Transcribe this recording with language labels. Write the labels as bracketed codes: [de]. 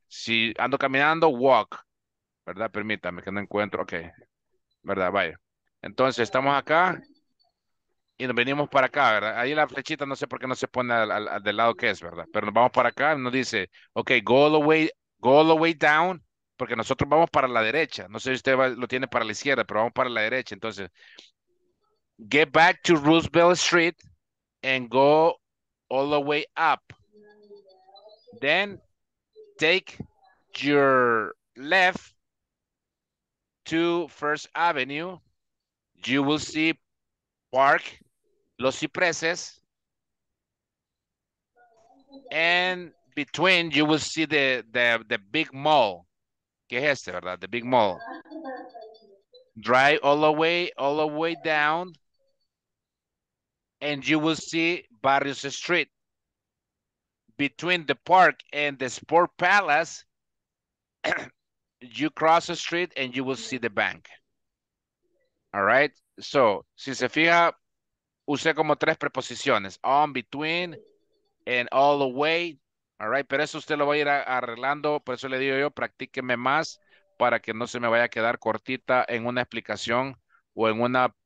[es] Si ando caminando, [en] walk. [es] ¿Verdad? Permítame que no encuentro. Ok. ¿Verdad? Vaya. Entonces, estamos acá y nos venimos para acá, ¿verdad? Ahí la flechita, no sé por qué no se pone al del lado que es, ¿verdad? Pero nos vamos para acá y nos dice, ok, [en] go all the way down, [es] porque nosotros vamos para la derecha. No sé si usted lo tiene para la izquierda, pero vamos para la derecha. Entonces, [en] get back to Roosevelt Street and go all the way up. Then take your left to First Avenue. You will see Park Los Cipreses. And between you will see the big mall. [es] ¿Qué es este, verdad? [en] The big mall. Drive all the way down. And you will see Barrios Street. Between the park and the Sport Palace, you cross the street and you will see the bank. All right? [es] So, si se fija, usé como tres preposiciones. [en] On, between, and all the way. All right? [es] Pero eso usted lo va a ir arreglando. Por eso le digo yo, practíqueme más para que no se me vaya a quedar cortita en una explicación o en una...